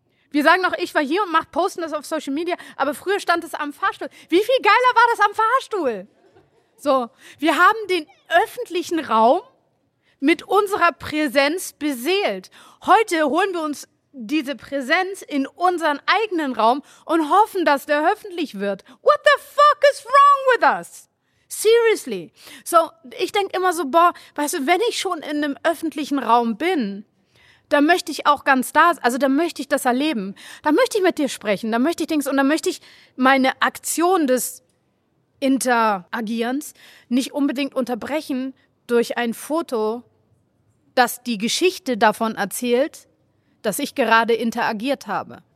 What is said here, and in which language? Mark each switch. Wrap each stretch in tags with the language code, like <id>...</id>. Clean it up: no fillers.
<de>Wir sagen noch, ich war hier und posten das auf Social Media, aber früher stand es am Fahrstuhl. Wie viel geiler war das am Fahrstuhl? So, wir haben den öffentlichen Raum mit unserer Präsenz beseelt. Heute holen wir uns diese Präsenz in unseren eigenen Raum und hoffen, dass der öffentlich wird.</de> <en>What the fuck is wrong with us? Seriously.</en> <de>So, ich denke immer so, boah, weißt du, wenn ich schon in einem öffentlichen Raum bin, dann möchte ich auch ganz da, also dann möchte ich das erleben. Dann möchte ich mit dir sprechen, dann möchte ich Dings und dann möchte ich meine Aktion des Interagierens nicht unbedingt unterbrechen durch ein Foto, das die Geschichte davon erzählt, dass ich gerade interagiert habe.</de>